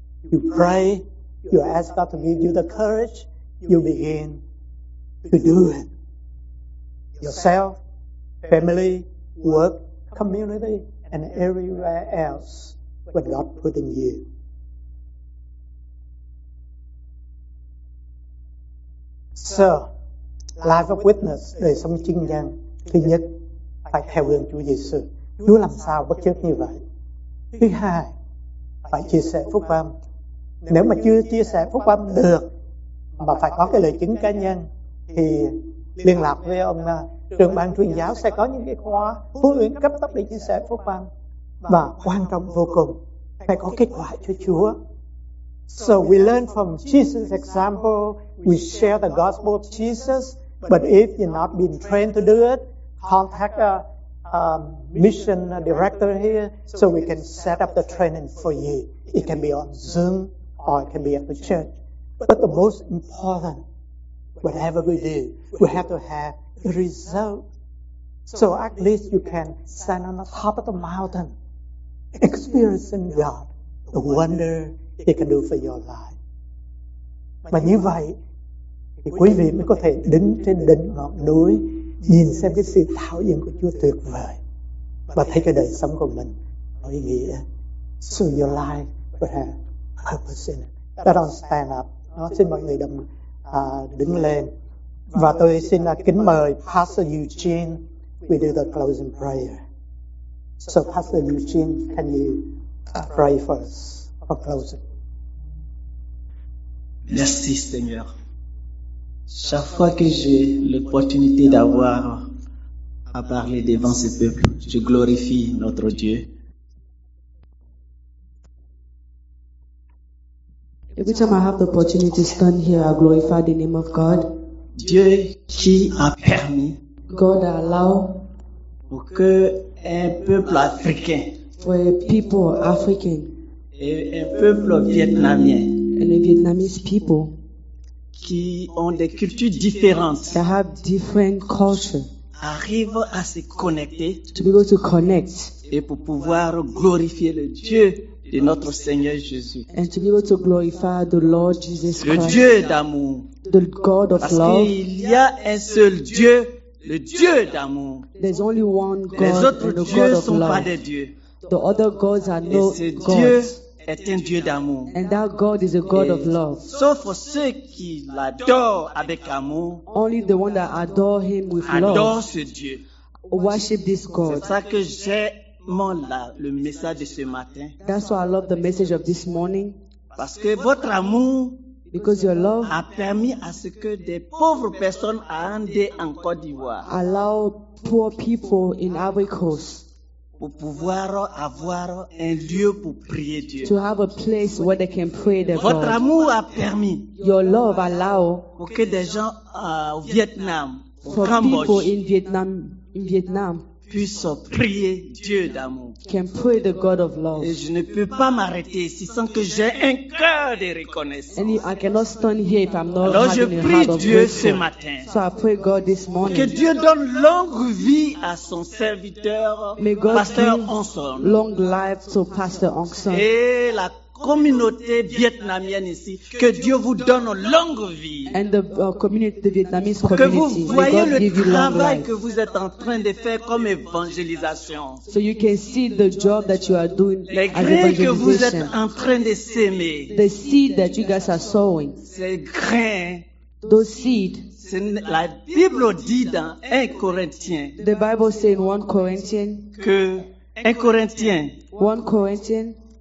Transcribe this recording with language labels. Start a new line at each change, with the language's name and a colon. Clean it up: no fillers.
English: You pray, you ask God to give you the courage, you begin to do it. Yourself, family, work, community, and everywhere else what God put in you. So, life of witness,
Vietnamese: đời sống chứng nhân, thứ nhất, phải theo gương Chúa Giêsu. Chúa làm sao bất chấp như vậy? Thứ hai, phải chia sẻ phúc âm. Nếu mà chưa chia sẻ phúc âm được mà phải có cái lời chứng cá nhân thì liên lạc với ông trưởng ban truyền giáo, sẽ có những cái khóa huấn luyện cấp tốc để chia sẻ phúc âm. Và quan trọng vô cùng, phải có kết quả cho Chúa.
English: So we learn from Jesus' example, we share the gospel of Jesus, but if you're not been trained to do it, contact a mission director here so we can set up the training for you. It can be on Zoom or it can be at the church. But the most important, whatever we do, we have to have the result. So at least you can stand on the top of the mountain, experiencing God, the wonder He can do for your life.
Vietnamese: Mà như vậy, thì quý vị mới có thể đứng trên đỉnh ngọn núi nhìn xem cái sự thảo dựng của Chúa tuyệt vời và thấy cái đời sống của mình có ý nghĩa.
English: So your life would have purpose in it. That all stand up.
Vietnamese: Xin mọi người đồng đứng lên. Và tôi xin kính mời Pastor Eugene,
English: we do the closing prayer. So Pastor Eugene, can you pray for us for closing?
French: Merci Seigneur. Chaque fois que j'ai l'opportunité d'avoir à parler devant ce peuple, je glorifie notre Dieu.
English: Every time I have the opportunity to stand here, I glorify the name of God.
French: Dieu qui a permis,
English: God allow,
French: pour que un peuple africain,
English: for a people African,
French: et un peuple vietnamien,
English: and a Vietnamese people,
French: qui ont des cultures différentes,
English: that have different cultures,
French: arrivent à se connecter,
English: to be able to connect,
French: et pour pouvoir glorifier le Dieu de notre Seigneur Jésus.
English: And to be able to glorify the Lord Jesus Christ.
French: Le Dieu d'amour.
English: The God of love.
French: Parce qu'il y a un seul Dieu, le Dieu d'amour.
English: There's only one God.
French: Les autres dieux ne sont pas des dieux.
English: The other gods are no gods.
French: Et ce Dieu est un Dieu d'amour.
English: And that God is a God of love.
French: Sauf pour ceux qui l'adorent avec amour.
English: Only the one that adore him with love.
French: Adore ce Dieu.
English: Worship this God.
French: C'est ça que j'ai le message de ce matin.
English: That's why I love the message of this morning.
French: Parce que votre amour,
English: because your love,
French: a permis à ce que des pauvres personnes aient en Côte d'Ivoire,
English: allow poor people in Ivory Coast,
French: pour pouvoir avoir un lieu pour prier Dieu,
English: to have a place where they can pray their God.
French: Votre amour a permis,
English: your love allow,
French: pour que des gens au Vietnam,
English: for
French: Cambodge,
English: people in Vietnam.
French: Puisse prier Dieu d'amour.
English: Can pray the God of love.
French: Et je ne peux pas m'arrêter ici sans que j'ai un cœur de reconnaissance.
English: And I cannot stand here if I'm not.
French: Alors je prie Dieu ce matin.
English: So I pray God this morning.
French: Que Dieu donne longue vie à son serviteur, Pasteur Onson.
English: Long life to Pastor Onson.
French: Et la communauté vietnamienne ici, que Dieu vous donne longue vie.
English: And the community, the Vietnamese community,
French: que vous voyez le travail que vous êtes en train de faire comme évangélisation.
English: So you can see the job that you are doing.
French: Les graines que vous êtes en train de semer.
English: The seed that you guys are sowing.
French: Ces graines.
English: Those seeds.
French: La Bible dit dans 1 Corinthiens.
English: The Bible says in 1 Corinthians.
French: Que 1 Corinthiens.
English: 1 Corinthians.